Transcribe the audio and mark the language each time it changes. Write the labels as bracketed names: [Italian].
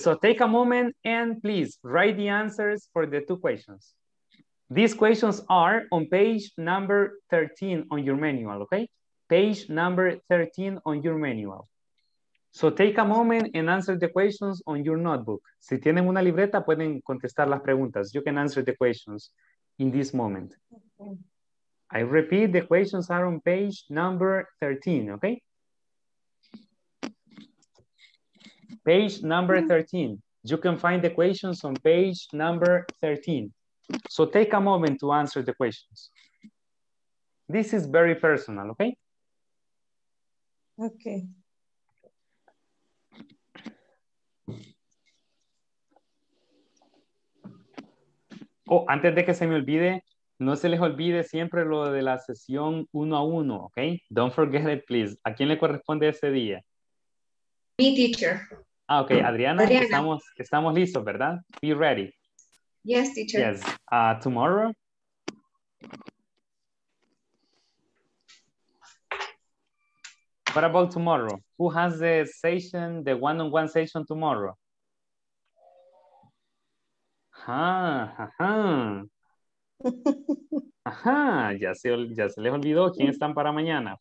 [English] So take a moment and please write the answers for the two questions. These questions are on page number 13 on your manual, okay? Page number 13 on your manual. So take a moment and answer the questions on your notebook. [Spanish] Si tienen una libreta, pueden contestar las preguntas. [English] You can answer the questions in this moment. Okay. I repeat, the questions are on page number 13, okay? Page number 13. You can find the questions on page number 13. So take a moment to answer the questions. This is very personal, okay? Okay. [Spanish] Oh, antes de que se me olvide, no se les olvide siempre lo de la sesión uno a uno, ¿ok? [English] Don't forget it, please. [Spanish] ¿A quién le corresponde ese día? Mi teacher. Ah, ok. Adriana, estamos listos, ¿verdad? [English] Be ready. Yes, teacher. Yes. Tomorrow? What about tomorrow? Who has the session, the one-on-one session tomorrow? [Spanish] Ya se les olvidó quién están para mañana.